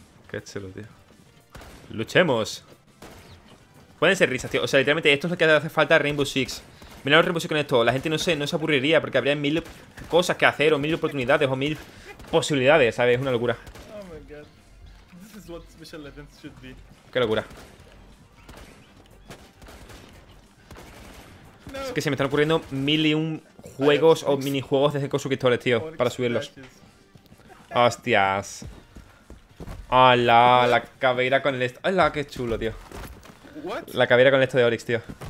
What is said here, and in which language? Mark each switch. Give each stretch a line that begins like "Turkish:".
Spanish: Qué chulo, tío. Luchemos. Pueden ser risas, tío. O sea, literalmente esto es lo que hace falta a Rainbow Six. Mirad los Rainbow Six con esto. La gente no se aburriría porque habría mil cosas que hacer o mil oportunidades o mil posibilidades, ¿sabes? Es una locura.
English: Oh my god. This is what special events should be.
Spanish: Qué locura. Es que se me están ocurriendo mil y un juegos o minijuegos desde con suscriptores, tío. Para subirlos. Hostias. Hola, la cabeza con el esto. Hola, qué chulo, tío. La cabeza con esto de Oryx, tío.